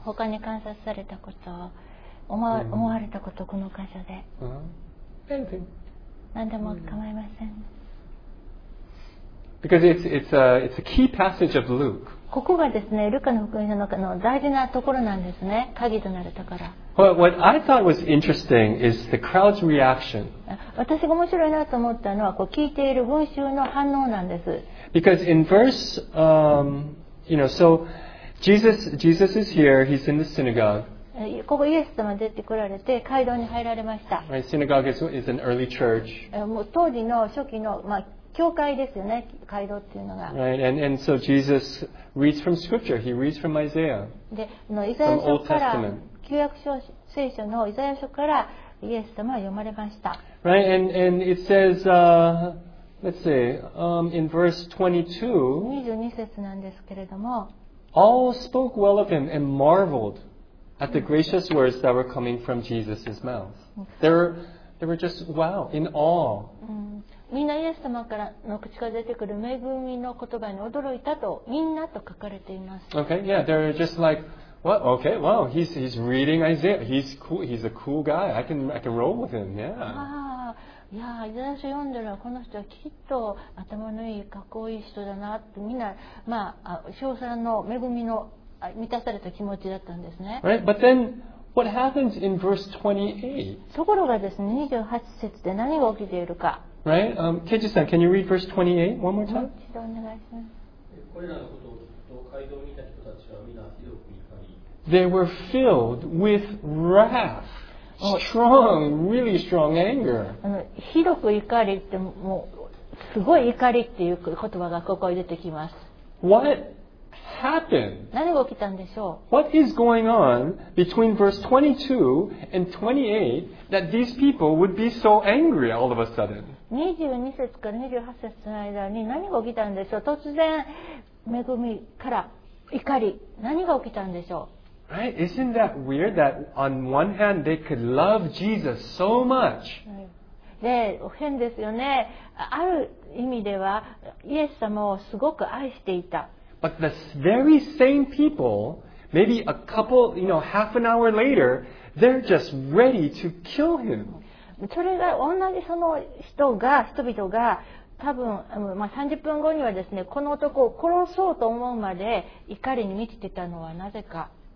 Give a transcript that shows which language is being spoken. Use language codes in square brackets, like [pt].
[ja] 他に観察されたこと、思われたこと、この箇所で。 [en] Anything. [ja] 何でも構いません。 [en] Because it's a key passage of Luke. [ja] ここがですね、ルカの福音書の中の大事なところなんですね、鍵となるところ。 [en] What I thought was interesting is the crowd's reaction. [ja] 私が面白いなと思ったのは、こう聞いている群衆の反応なんです。 [en] Because in verse, you know, so. Jesus is here. He's in the synagogue. [ja] ここイエス様出てこられて会堂に入られました。 [en] Right, synagogue is an early church. [ja] もう当時の初期の、まあ、教会ですよね、会堂っていうのが。 [en] Right, and so Jesus reads from Scripture. He reads from Isaiah. [ja] で、イザヤ書から旧約書聖書のイザヤ書からイエス様は読まれました。 [en] Right, and it says, let's see, in verse 22. [ja] 22節なんですけれども。 [en] All spoke well of him and marveled at the gracious words that were coming from Jesus' mouth. They were just wow, in awe. [ja] みんなイエス様からの口から出てくる恵みの言葉に驚いたとみんなと書かれています。 [en] Okay, yeah, they're just like, what? Okay, wow, he's reading Isaiah. He's cool. He's a cool guy. I can roll with him. Yeah. [ja] いやイザヤ書読んでるのはこの人はきっと頭のいいかっこいい人だなってみんな、まあ、称賛の恵みの満たされた気持ちだったんですね。 [en] Right? But then, what happens in verse 28? [ja] ところがですね、28節で何が起きているか。 [en] Right? ケジさん、can you read verse 28 one more time? [ja] もう一度お願いします。これらのことを聞くと、街道を見た人たちはみんなひどく怒り。 [en] They were filled with wrath. Strong, really strong anger. [ja] ひどく怒りってもうすごい怒りっていう言葉がここに出てきます。 [en] What happened? [ja] 何が起きたんでしょう? [en] What is going on between verse 22 and 28 that these people would be so angry all of a sudden? [ja] 22節から28節の間に何が起きたんでしょう? 突然恵みから怒り、何が起きたんでしょう? [en] Right? Isn't that weird that on one hand they could love Jesus so much? [ja] で変ですよね。ある意味ではイエス様をすごく愛していた。 [en] But the very same people, maybe a couple, you know, half an hour later, they're just ready to kill him. [ja] それが同じその人が人々が多分、まあ、30分後にはですね、この男を殺そうと思うまで怒りに満ちてたのはなぜか。